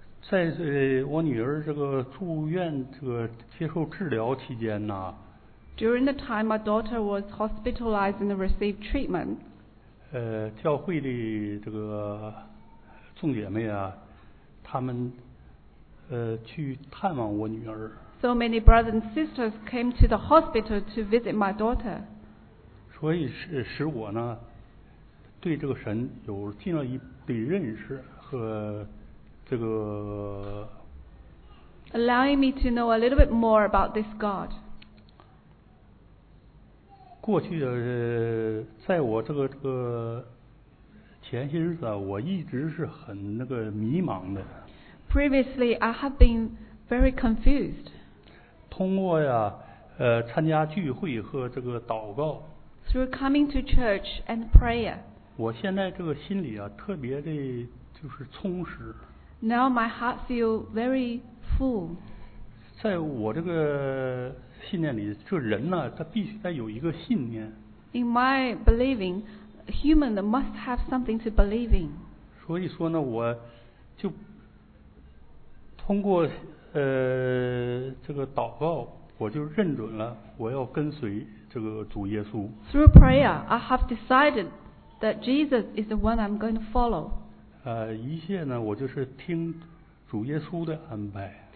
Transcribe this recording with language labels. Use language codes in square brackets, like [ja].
[zh] 在我女儿这个住院这个接受治疗期间呢。 [en] During the time my daughter was hospitalized and received treatment. [zh] 教会的这个众姐妹啊，他们去探望我女儿。 [en] So many brothers and sisters came to the hospital to visit my daughter. [zh] 所以使我呢，对这个神有进了一步认识和这个。 [en] Allowing me to know a little bit more about this God. [zh] 过去的在我这个前些日子啊，我一直是很那个迷茫的。 [en] Previously, I have been very confused. [zh] 通过呀，参加聚会和这个祷告。 [en] Through coming to church and prayer. [zh] 我现在这个心里啊，特别的就是充实。 [en] Now my heart feel very full. [zh] 在我这个信念里，这人呢，他必须得有一个信念。 [en] In my believing, human must have something to believe in. [zh] 所以说呢，我就通过这个祷告，我就认准了我要跟随这个主耶稣。 [en] Through prayer, I have decided that Jesus is the one I'm going to follow. [zh] 一切呢，我就是听主耶稣的安排。